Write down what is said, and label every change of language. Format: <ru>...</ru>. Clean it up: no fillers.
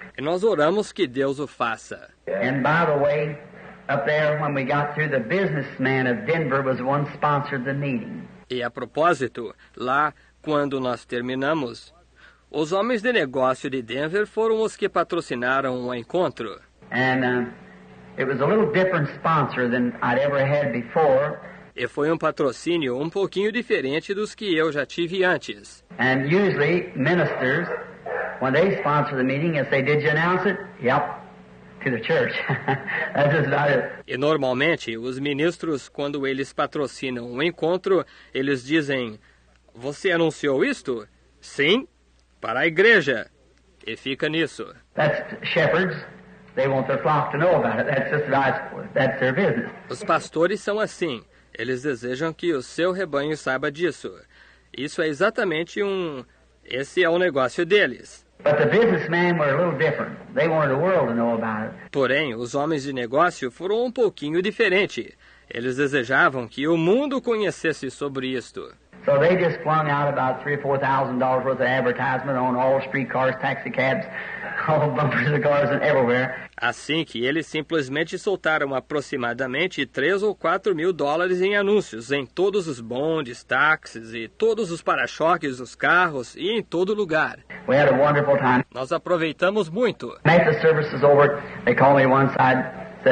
<pt>E nós oramos que Deus o faça.</pt> <en>And by the way, up there, when we got through, the businessman of Denver was one sponsored the meeting.</en> <pt>E a propósito, lá, quando nós terminamos, os homens de negócio de Denver foram os que patrocinaram o encontro.</pt> <en>And it was a little different sponsor than I'd ever had before.</en> <pt>E foi um patrocínio um pouquinho diferente dos que eu já tive antes.</pt> <en>And usually, ministers, when they sponsor the meeting, they say, did you announce it? Yep. To the church. That's just about it.</en> <pt>E normalmente, os ministros, quando eles patrocinam um encontro, eles dizem, você anunciou isto? Sim, para a igreja. E fica nisso.</pt> <en>That's shepherds. They want their flock to know about it. That's just that's their business.</en> <pt>Os pastores são assim. Eles desejam que o seu rebanho saiba disso. Isso é exatamente esse é o negócio deles.</pt> <en>But the businessmen were a little different. They wanted the world to know about it.</en> <pt>Porém, os homens de negócio foram um pouquinho diferente. Eles desejavam que o mundo conhecesse sobre isto.</pt> <en>So they just flung out about $3,000 or $4,000 worth of advertisement on all streetcars, taxi cabs, all bumpers of cars and everywhere.</en> <pt>Assim que eles simplesmente soltaram aproximadamente $3,000 or $4,000 em anúncios em todos os bondes, táxis e todos os para-choques dos carros e em todo lugar.</pt> <en>We had a wonderful time.</en> <pt>Nós aproveitamos muito.</pt> <en>Met the services over, they call me one side.</en>